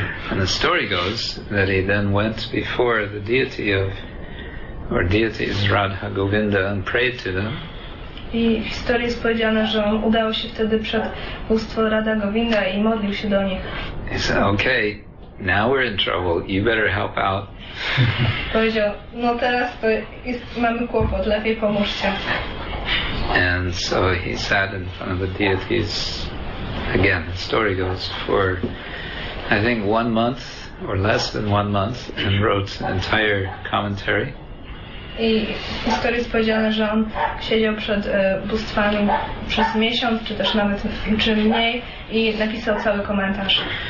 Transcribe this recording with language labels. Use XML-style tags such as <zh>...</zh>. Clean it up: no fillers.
<en>And the story goes that he then went before the deity of, or deities, Radha Govinda, and prayed to them.</en> <pl>I w historii jest powiedziane, że on udał się wtedy przed bóstwo Radha Govinda i modlił się do nich.</pl> <en>He said, okay, now we're in trouble, you better help out.</en> <pl>Powiedział, no teraz to jest, mamy kłopot, lepiej pomóżcie.</pl> <en>And so he sat in front of the deities, again, the story goes, for I think 1 month, or less than 1 month, and wrote an entire commentary.</en> <pl>I w historii jest powiedziane, że on siedział przed bóstwami przez miesiąc, czy też nawet czy mniej, i napisał cały komentarz.</pl>